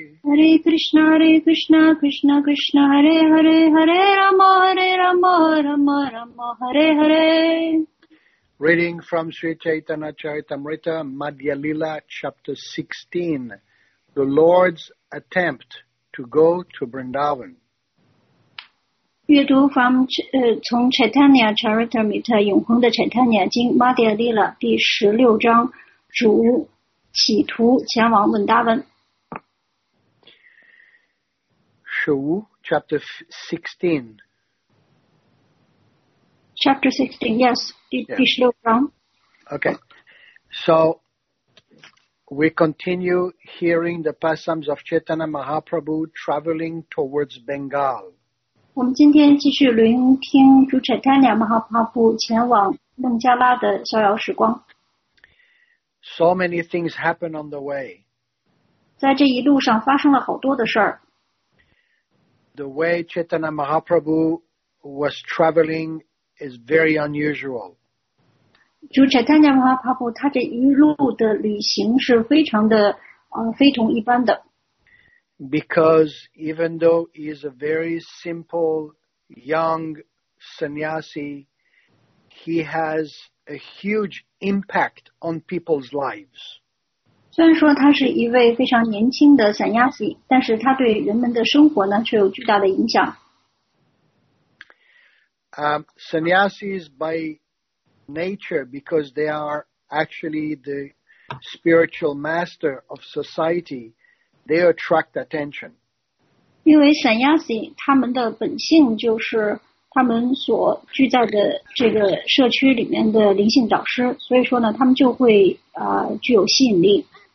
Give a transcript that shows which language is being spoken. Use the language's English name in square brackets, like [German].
[Sanskrit] Hare Krishna Hare Krishna Krishna Krishna Hare Hare Hare Rama Hare Rama Rama Rama Hare Hare [English] Reading from Sri Chaitanya Charitamrita Madhya Lila Chapter 16 The Lord's Attempt to Go to Vrindavan [Chinese] 阅读 from 从 Chaitanya Charitamrita 永恒的 Chaitanya 经 Madhya Lila 第十六章主企图前往文达文。十五 ，Chapter 16。 [English] Chapter 16，Yes， [Chinese] 第十六章。 [English] Okay， so we continue hearing the pastimes of Chaitanya Mahaprabhu traveling towards Bengal。 [Chinese] 我们今天继续聆听主 Chaitanya Mahaprabhu 前往孟加拉的逍遥时光。 [English] So many things happen on the way. [Chinese] 在这一路上发生了好多的事儿。 [English] The way Chaitanya Mahaprabhu was traveling is very unusual. [Chinese] 主 Chaitanya Mahaprabhu 他这一路的旅行是非常的非同一般的。 [English] Because even though he is a very simple young sannyasi, he has a huge impact on people's lives. [Chinese] 虽然说他是一位非常年轻的 sannyasi, 但是他对人们的生活呢却有巨大的影响。 [English] Sannyasis by nature, because they are actually the spiritual master of society, they attract attention. [Chinese] 因为 sannyasi, 他们的本性就是他们所居在的这个社区里面的灵性导师，所以说呢，他们就会具有吸引力。